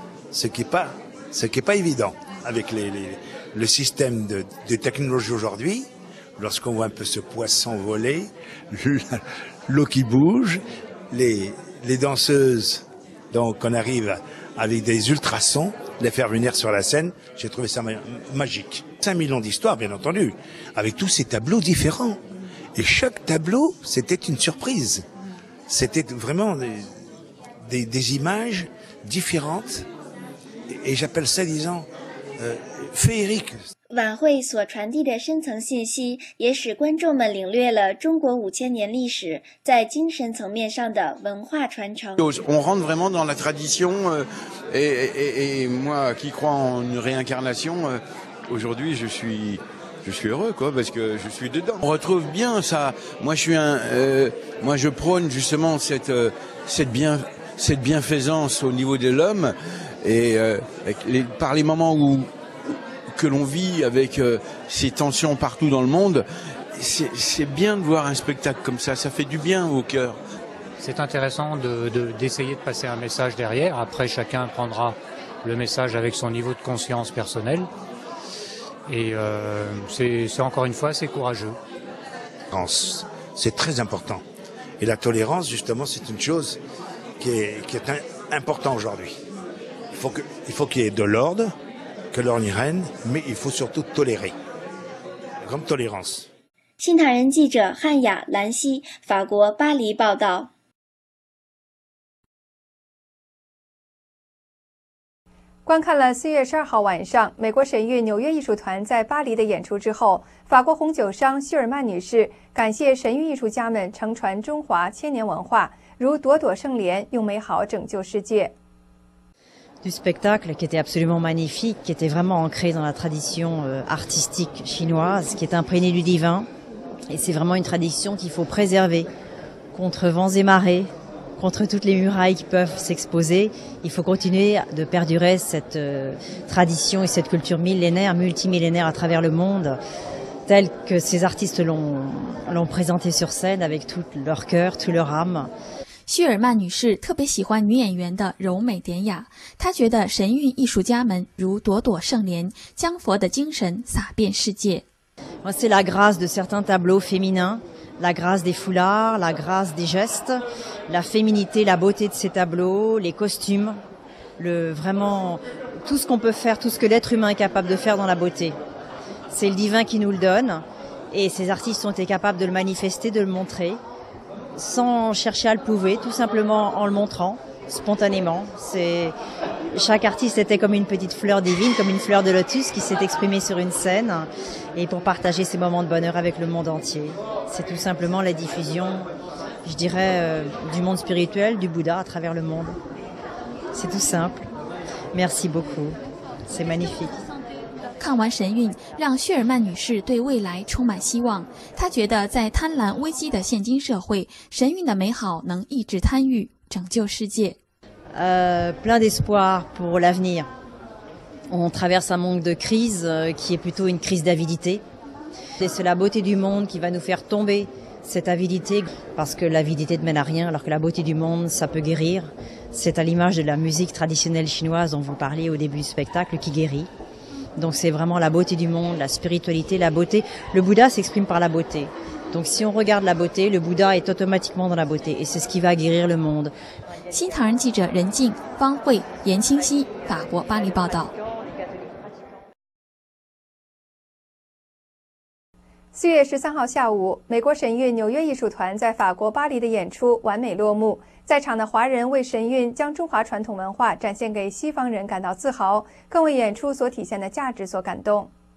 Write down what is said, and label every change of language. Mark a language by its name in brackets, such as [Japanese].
[French] Ce qui n'est pas évident avec le système de technologie aujourd'hui, lorsqu'on voit un peu ce poisson voler, l'eau qui bouge, les danseuses, donc on arrive avec des ultrasons, les faire venir sur la scène, j'ai trouvé ça magique. 5000 ans d'histoire, bien entendu, avec tous ces tableaux différents. Et chaque tableau, c'était une surprise. C'était vraiment des images différentes. Et j'appelle ça, disons, féerique. [Chinese] 晚会所传递的深层信息也使观众们领略了中国5000年历史在精神层面上的文化传承。 [French] On rentre vraiment dans la tradition, et moi qui crois en une réincarnation, aujourd'hui je suis heureux, quoi, parce que je suis dedans. On retrouve bien ça. Moi je prône justement cette bienfaisance au niveau de l'homme, et par les moments où que l'on vit avec ces tensions partout dans le monde, c'est bien de voir un spectacle comme ça, ça fait du bien au cœur. C'est intéressant d'essayer de passer un message derrière, après chacun prendra le message avec son niveau de conscience personnelle, et c'est encore une fois assez courageux. C'est très important, et la tolérance justement c'est une chose qui est importante aujourd'hui. Il faut qu'il y ait de l'ordre, que l'on y règne, mais il faut surtout tolérer. Grande tolérance. [Chinese] 新唐人记者汉雅兰西，法国巴黎报道。观看了4月12号晚上美国神韵纽约艺术团在巴黎的演出之后，法国红酒商希尔曼女士感谢神韵艺术家们承传中华千年文化，如朵朵圣莲，用美好拯救世界。 [French] Du spectacle qui était absolument magnifique, qui était vraiment ancré dans la tradition artistique chinoise, qui est imprégnée du divin. Et c'est vraiment une tradition qu'il faut préserver contre vents et marées, contre toutes les murailles qui peuvent s'exposer. Il faut continuer de perdurer cette tradition et cette culture millénaire, multimillénaire à travers le monde, telle que ces artistes l'ont présentée sur scène avec tout leur cœur, toute leur âme. [Chinese] 希尔曼女士特别喜欢女演员的柔美典雅，她觉得神韵艺术家们如朵朵圣莲，将佛的精神洒遍世界。 [French] C'est la grâce de certains tableaux féminins, la grâce des foulards, la grâce des gestes, la féminité, la beauté de ces tableaux, les costumes, vraiment tout ce qu'on peut faire, tout ce que l'être humain est capable de faire dans la beauté. C'est le divin qui nous le donne, et ces artistes ont été capables de le manifester, de le montrer. Sans chercher à le prouver, tout simplement en le montrant, spontanément. Chaque artiste était comme une petite fleur divine, comme une fleur de lotus qui s'est exprimée sur une scène, et pour partager ses moments de bonheur avec le monde entier. C'est tout simplement la diffusion, je dirais, du monde spirituel, du Bouddha à travers le monde. C'est tout simple. Merci beaucoup. C'est magnifique. [Chinese] 看完神韵，让薛尔曼女士对未来充满希望。她觉得在贪婪危机的现今社会，神韵的美好能抑制贪欲，拯救世界。 [French] Plein d'espoir pour l'avenir. On traverse un monde de crise qui est plutôt une crise d'avidité. Et c'est la beauté du monde qui va nous faire tomber cette avidité, parce que l'avidité ne mène à rien, alors que la beauté du monde, ça peut guérir. C'est à l'image de la musique traditionnelle chinoise dont vous parliez au début du spectacle qui guérit. Donc c'est vraiment la beauté du monde, la spiritualité, la beauté. Le Bouddha s'exprime par la beauté. Donc si on regarde la beauté, le Bouddha est automatiquement dans la beauté. Et c'est ce qui va guérir le monde. [Chinese] 新唐人记者任静、方慧、严清晰，法国巴黎报道。 4月13号下午，美国神韵纽约艺术团在法国巴黎的演出完美落幕。在场的华人为神韵将中华传统文化展现给西方人感到自豪，更为演出所体现的价值所感动。